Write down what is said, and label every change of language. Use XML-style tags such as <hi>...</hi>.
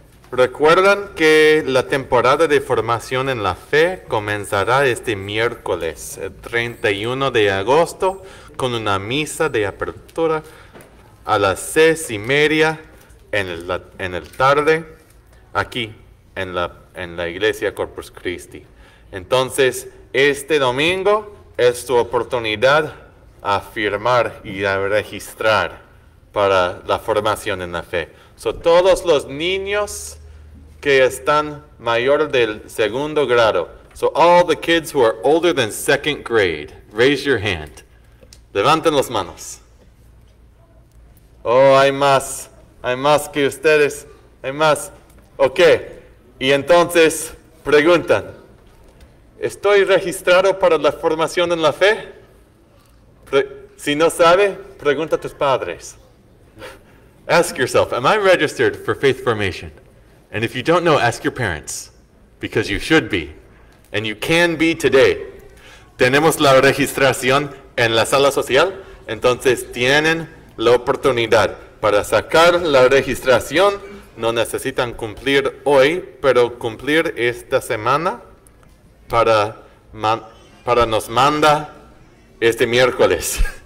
<es>¿Recuerdan que la temporada de formación en la fe comenzará este miércoles, el 31 de agosto, con una misa de apertura a las 6:30 en el tarde, aquí en la Iglesia Corpus Christi? Entonces, este domingo es tu oportunidad a firmar y a registrar para la formación en la fe. So, todos los niños que están mayor del segundo grado.</es> <en>So, all the kids who are older than second grade, raise your hand.</en> <es>Levanten las manos. Oh, hay más que ustedes, hay más. Ok, y entonces preguntan, ¿estoy registrado para la formación en la fe? Si no sabe, pregunta a tus padres.</es> <en>Ask yourself, am I registered for faith formation? And if you don't know, ask your parents, because you should be, and you can be today.</en> <es>Tenemos la registración en la sala social, entonces tienen la oportunidad para sacar la registración. No necesitan cumplir hoy, pero cumplir esta semana para nos manda este miércoles.</es>